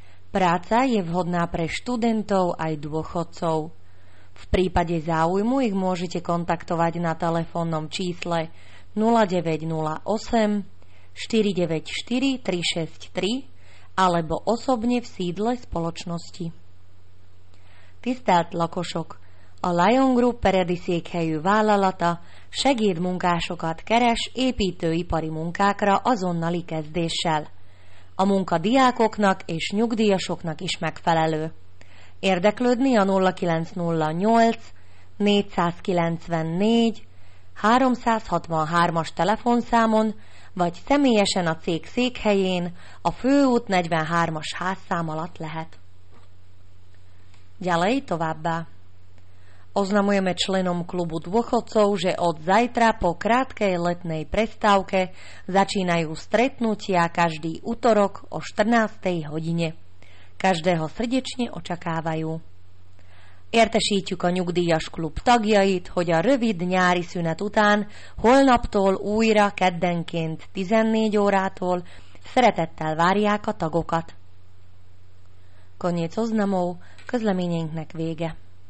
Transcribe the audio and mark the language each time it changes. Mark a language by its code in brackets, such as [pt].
[sk] Práca je vhodná pre študentov aj dôchodcov. V prípade záujmu ich môžete kontaktovať na telefónnom čísle 0908 494 363 alebo osobne v sídle spoločnosti. [hu] Tisztelt lakosok! A Lion Group peredisékhelyű vállalata segédmunkásokat keres építőipari munkákra azonnali kezdéssel. A munka diákoknak és nyugdíjasoknak is megfelelő. Érdeklődni a 0908 494 363-as telefonszámon, vagy személyesen a cég székhelyén, a főút 43-as házszám alatt lehet. [sk] Ďalej [hu] továbbá. [sk] Oznamujeme členom klubu dôchodcov, že od zajtra po krátkej letnej prestávke začínajú stretnutia každý útorok o 14. hodine. Každého srdečne očakávajú. [hu] Értesítjük a nyugdíjas klub tagjait, hogy a rövid nyári szünet után holnaptól újra keddenként 14 órától szeretettel várják a tagokat. [sk] Koniec oznamov, [hu] közleményeinknek vége.